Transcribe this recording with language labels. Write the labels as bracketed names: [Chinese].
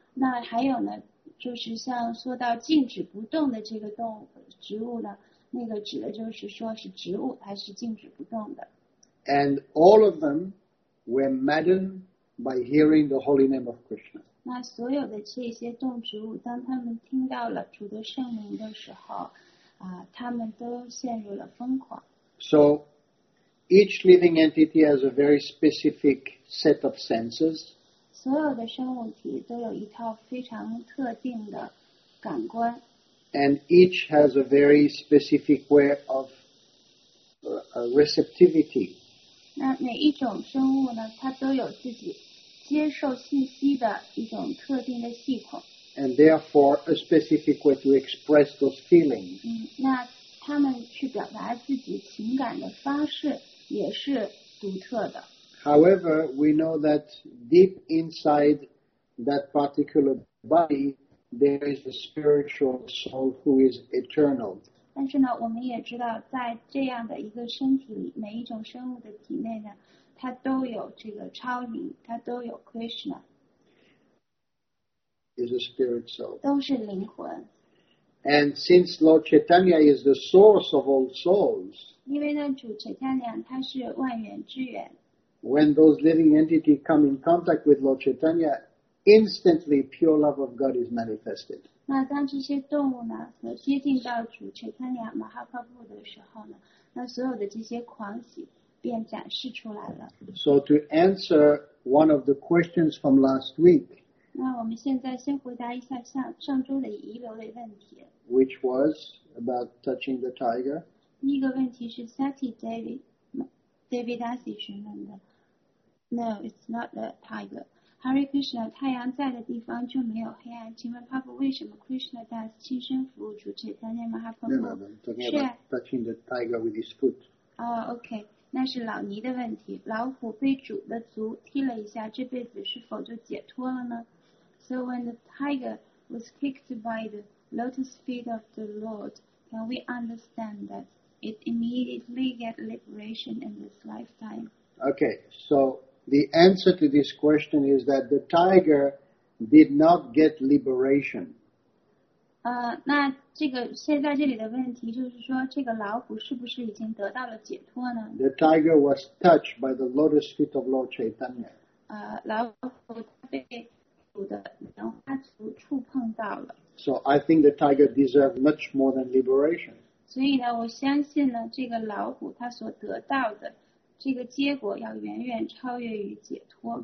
[Chinese] 那还有呢，就是像说到静止不动的这个动物植物呢，那个指的就是说是植物还是静止不动的。 [English] And all of them were maddened by hearing the holy name of Krishna. [Chinese] 那所有的这些动植物，当他们听到了主的圣名的时候，他们都陷入了疯狂。 [English] So each living entity has a very specific set of senses. [Chinese] 所有的生物体都有一套非常特定的感官。 [English] And each has a very specific way of receptivity. [Chinese] 那每一种生物呢，它都有自己接受信息的一种特定的系统。 [English] And therefore, a specific way to express those feelings. [Chinese] 那他们去表达自己情感的方式也是独特的。 [English] However, we know that deep inside that particular body, there is a spiritual soul who is eternal. [Chinese] 但是呢，我们也知道，在这样的一个身体里，每一种生物的体内呢，它都有这个超灵，它都有 Krishna. [English] Is a spirit soul. [Chinese] 都是灵魂。 [English] And since Lord Chaitanya is the source of all souls, [Chinese] 因为呢，主 Chaitanya 他是万缘之源。 [English] When those living entities come in contact with Lord Chaitanya, instantly pure love of God is manifested. [Chinese] 那当这些动物呢和接近到主 Chaitanya Mahaprabhu 的时候呢，那所有的这些狂喜便展示出来了。 [English] So to answer one of the questions from last week. [Chinese] 那我们现在先回答一下上周的遗留的问题。 [English] Which was about touching the tiger. [Chinese] 第一个问题是 Sati David Asi 询问的。 [English] No, it's not the tiger. Hare Krishna, [Chinese] 太阳在的地方就没有黑暗。请问 Papa, 为什么 Krishna Das 亲身服务主 Chaitanya Mahaprabhu? [English] No, I'm talking about touching the tiger with his foot. Oh, okay. [Chinese] 那是老尼的问题。老虎被主的足踢了一下，这辈子是否就解脱了呢？ [English] So when the tiger was kicked by the lotus feet of the Lord, can we understand that it immediately get liberation in this lifetime? Okay, so the answer to this question is that the tiger did not get liberation. [Chinese] 那这个现在这里的问题就是说，这个老虎是不是已经得到了解脱呢？ [English] The tiger was touched by the lotus feet of Lord Chaitanya. [Chinese] 老虎被主的莲花足触碰到了。 [English] So I think the tiger deserves much more than liberation. [Chinese] 所以呢，我相信呢，这个老虎它所得到的这个结果要远远超越于解脱。